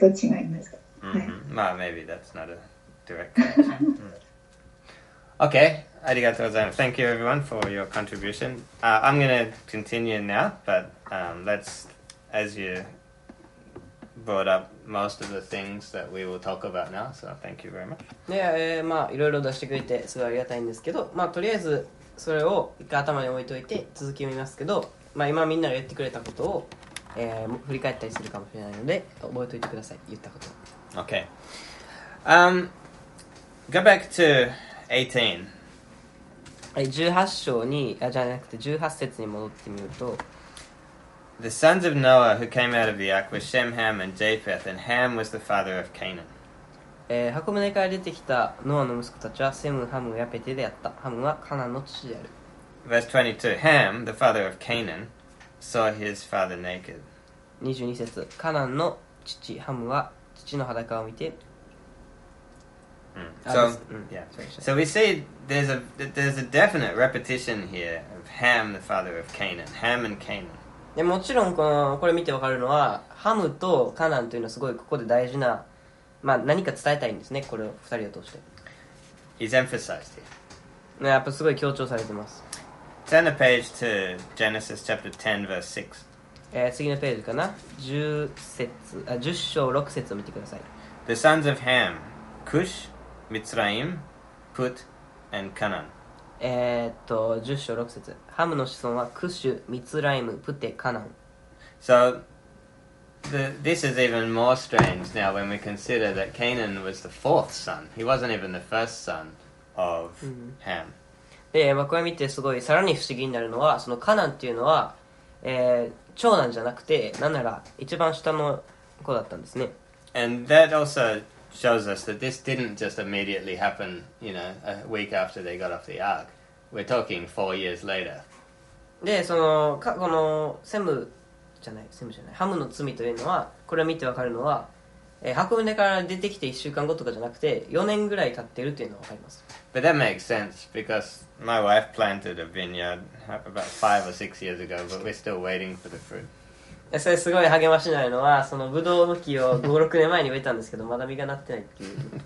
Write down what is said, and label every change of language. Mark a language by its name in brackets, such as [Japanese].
[English] Maybe that's not a direct connection. Okay, [Japanese] arigatou gozaimasu. [English] Thank you everyone for your contribution. I'm going to continue now, but as you brought up most of the things that we will talk about now, so thank you very much. [Japanese] Yeah, いろいろ出してくれてすごいありがたいんですけど、とりあえずそれを一回頭に置いといて続き見ますけど、今みんなが言ってくれたことを、振り返ったりするかもしれないので覚えておいてください、言ったこと。 [English] Okay. Go back to 18. [Japanese] 18章に、あ、じゃなくて18節に戻ってみると、 [English] The sons of Noah who came out of the ark were Shem, Ham, and Japheth, and Ham was the father of Canaan. [Japanese] 箱舟から出てきたノアの息子たちはセム、ハム、ヤペテであった。ハムはカナンの父である。 [English] Verse 22, Ham, the father of Canaan, saw his father naked. [Japanese] 22節、カナンの父、ハムは父の裸を見て。 [English] So we see there's a definite repetition here of Ham, the father of Canaan. Ham and Canaan. [Japanese] でもちろんこれ見てわかるのはハムとカナンというのはすごいここで大事な、何か伝えたいんですね、これを二人を通して。 [English] He's emphasized here. [Japanese] やっぱすごい強調されてます。 [English] Turn the page to Genesis chapter 10 verse 6. [Japanese] 次のページかな、10章6節を見てください。 [English] The sons of Ham, Cush, Mitzrayim, Put, and Canaan. [Japanese] 10章6節、ハムの子孫はクッシュ、ミツライム、プテ、カナン。 [English] So, this is even more strange now when we consider that Canaan was the fourth son. He wasn't even the first son of Ham. [Japanese] で、これ見てすごいさらに不思議になるのは、そのカナンっていうのは、長男じゃなくて、なんなら一番下の子だったんですね。 [English] And that also shows us that this didn't just immediately happen, you know, a week after they got off the ark. We're talking 4 years later. [Japanese] で、その、このセムじゃない、セムじゃない、ハムの罪というのは、これを見てわかるのは、箱舟から出てきて1週間後とかじゃなくて、4年ぐらい経ってるというのがわかります。 [English] But that makes sense, because my wife planted a vineyard about 5 or 6 years ago, but we're still waiting for the fruit. [Japanese] それすごい励ましないのは、そのブドウの木を5、6年前に植えたんですけど、まだ実がなってないっていう。